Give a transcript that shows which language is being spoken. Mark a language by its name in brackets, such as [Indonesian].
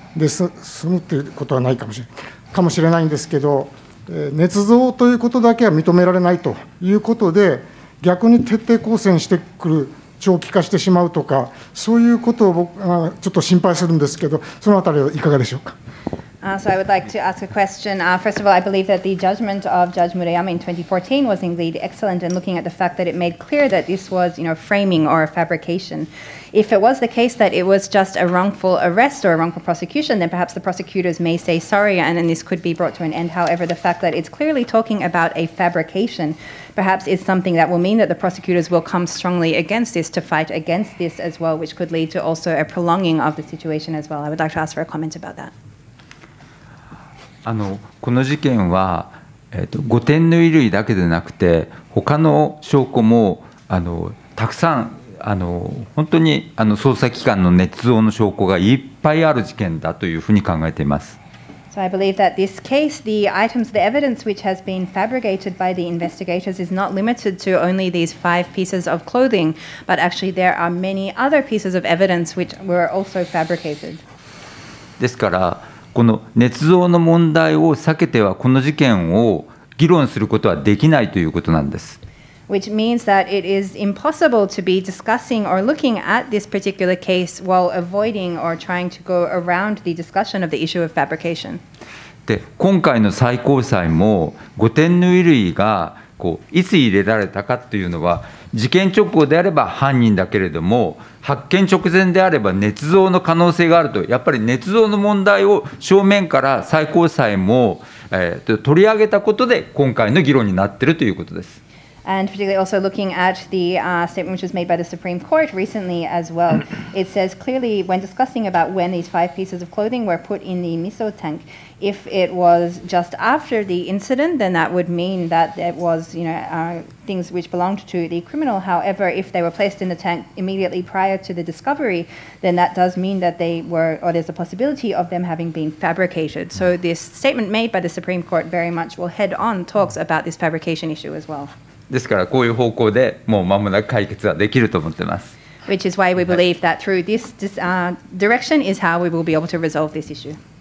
[Japanese] で済むということはないかもしれないんですけど、捏造ということだけは認められないということで、逆に徹底抗戦してくる、長期化してしまうとか、そういうことを僕ちょっと心配するんですけど、そのあたりはいかがでしょうか。 [English] So I would like to ask a question. First of all, I believe that the judgment of Judge Murayama in 2014 was indeed excellent, and looking at the fact that it made clear that this was, you know, framing or a fabrication. If it was the case that it was just a wrongful arrest or a wrongful prosecution, then perhaps the prosecutors may say sorry, and then this could be brought to an end. However, the fact that it's clearly talking about a fabrication perhaps is something that will mean that the prosecutors will come strongly against this to fight against this as well, which could lead to also a prolonging of the situation as well. I would like to ask for a comment about that. [Japanese] この事件は、誤点の衣類だけでなくて他の証拠もたくさん本当に捜査機関の捏造の証拠がいっぱいある事件だというふうに考えています。 [English] So I believe that this case, the items, the evidence which has been fabricated by the investigators is not limited to only these five pieces of clothing, but actually there are many other pieces of evidence which were also fabricated. [Japanese] ですからこの捏造の問題を避けてはこの事件を議論することはできないということなんです。 [English] Which means that it is impossible to be discussing or looking at this particular case while avoiding or trying to go around the discussion of the issue of fabrication. [Japanese] で、今回の最高裁も誤点の衣類がこういつ入れられたかというのは事件直後であれば犯人だけれども発見直前であれば捏造の可能性があると、やっぱり捏造の問題を正面から最高裁も、取り上げたことで今回の議論になっているということです。 [English] And particularly also looking at the statement which was made by the Supreme Court recently as well, it says clearly when discussing about when these five pieces of clothing were put in the miso tank, if it was just after the incident, then that would mean that it was, you know, things which belonged to the criminal. However, if they were placed in the tank immediately prior to the discovery, then that does mean that they were, or there's a possibility of them having been fabricated. So this statement made by the Supreme Court very much will head on talks about this fabrication issue as well. [Japanese] ですからこういう方向でもう間もなく解決ができると思ってます。 [English] Which is why we believe that through this direction is how we will be able to resolve this issue.